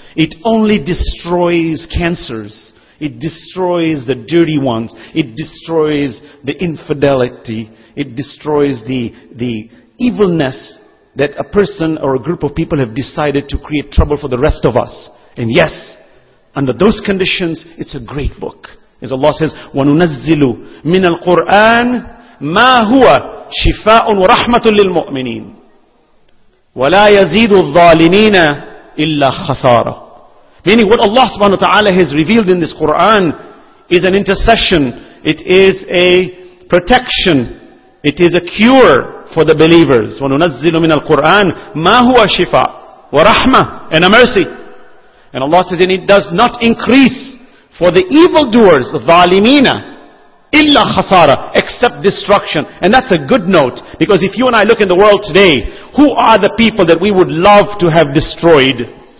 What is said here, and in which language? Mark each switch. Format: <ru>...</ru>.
<en>It only destroys cancers. It destroys the dirty ones. It destroys the infidelity. It destroys the evilness that a person or a group of people have decided to create trouble for the rest of us. And yes, under those conditions, it's a great book. As Allah says,</en> <ar>وَنُنَزِّلُ مِنَ الْقُرْآنِ مَا هُوَ شِفَاءٌ وَرَحْمَةٌ لِلْمُؤْمِنِينَ وَلَا يَزِيدُ الظَّالِمِينَ إِلَّا خَسَارًا.</ar> <en>Meaning what Allah subhanahu wa ta'ala has revealed in this Quran is an intercession. It is a protection. It is a cure for the believers.</en> <ar>وَنُنَزِّلُ مِنَ الْقُرْآنِ مَا هُوَ شِفَاءٌ وَرَحْمَةٌ,</ar> <en>and a mercy. And Allah says, and it does not increase for the evildoers,</en> <ar>ظَالِمِينَ إِلَّا خَسَارًا,</ar> <en>except destruction. And that's a good note, because if you and I look in the world today, who are the people that we would love to have destroyed?</en>